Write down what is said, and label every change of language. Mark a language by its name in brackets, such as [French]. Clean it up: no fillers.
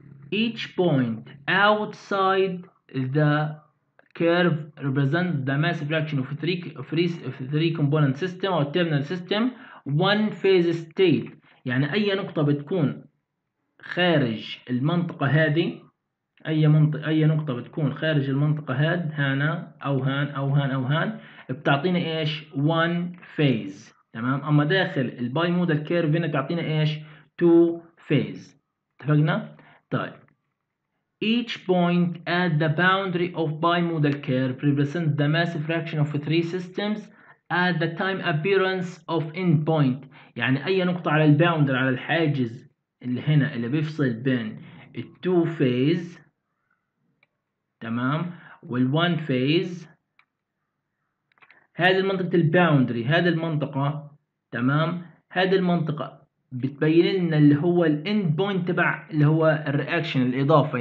[English] Each point outside the curve represents the mass fraction of three component system or terminal system one phase state. [Arabic] يعني أي نقطة بتكون خارج المنطقة هذه، أي منطقة، أي نقطة بتكون خارج المنطقة هاد هنا أو هان أو هان أو هان بتعطينا إيش one phase. تمام. أما داخل الباي مود الكيرف هنا بتعطينا إيش two phase. اتفقنا؟ طيب. [English] Each point at the boundary of bimodal curve represents the mass fraction of three systems at the time appearance of endpoint. [Arabic] يعني أي نقطة على الباوندر، على الحاجز اللي هنا اللي بيفصل بين two phase تمام والone phase، هذه المنطقة الباوندري، هذه المنطقة تمام، هذه المنطقة بتبين لنا اللي هو الاند بوينت تبع اللي هو الرياكشن الإضافة.